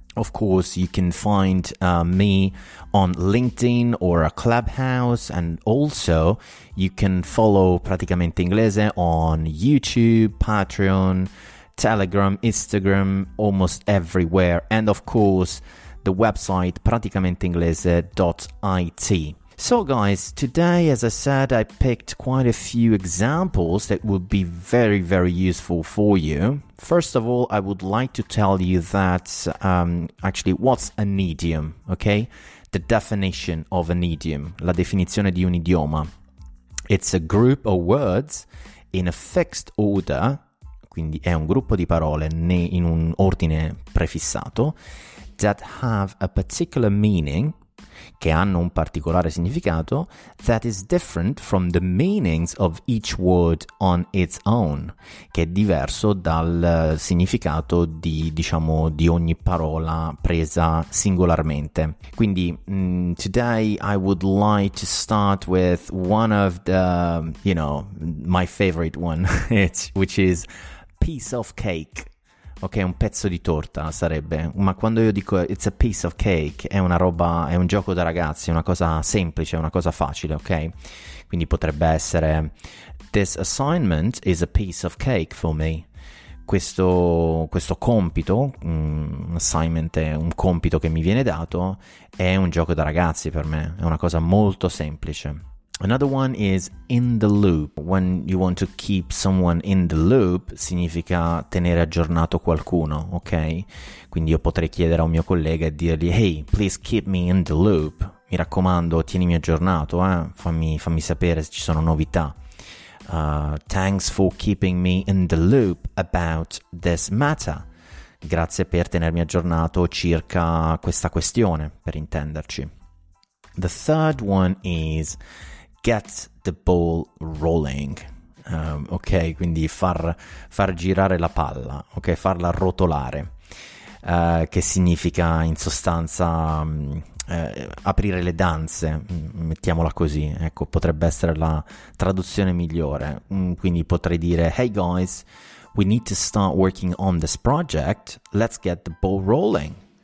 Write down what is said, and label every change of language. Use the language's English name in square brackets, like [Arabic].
[English] Of course, you can find me on LinkedIn or a Clubhouse, and also you can follow Praticamente Inglese on YouTube, Patreon, Telegram, Instagram, almost everywhere, and of course the website praticamenteinglese.it. So guys, today, as I said, I picked quite a few examples that would be very, very useful for you. First of all, I would like to tell you that actually what's an idiom, okay? The definition of an idiom, [Italian] la definizione di un idioma. [English] It's a group of words in a fixed order, [Italian] quindi è un gruppo di parole in un ordine prefissato, [English] that have a particular meaning, [Italian] che hanno un particolare significato, [English] that is different from the meanings of each word on its own, [Italian] che è diverso dal significato di, diciamo, di ogni parola presa singolarmente. [English] Quindi, today I would like to start with one of the, you know, my favorite one, which is piece of cake. [Italian] Ok, un pezzo di torta sarebbe, ma quando io dico [English] it's a piece of cake, [Italian] è una roba, è un gioco da ragazzi, è una cosa semplice, è una cosa facile, ok? Quindi potrebbe essere [English] this assignment is a piece of cake for me. [Italian] Questo compito, assignment è un compito che mi viene dato, è un gioco da ragazzi per me, è una cosa molto semplice. [English] Another one is in the loop. When you want to keep someone in the loop, [Italian] significa tenere aggiornato qualcuno, [English] ok? [Italian] Quindi io potrei chiedere a un mio collega e dirgli, [English] hey, please keep me in the loop. [Italian] Mi raccomando, tienimi aggiornato, fammi sapere se ci sono novità. [English] Thanks for keeping me in the loop about this matter. [Italian] Grazie per tenermi aggiornato circa questa questione, per intenderci. [English] The third one is get the ball rolling, [Italian] ok, quindi far girare la palla, ok, farla rotolare, che significa in sostanza aprire le danze, mettiamola così, ecco, potrebbe essere la traduzione migliore, quindi potrei dire, [English] hey guys, we need to start working on this project, let's get the ball rolling.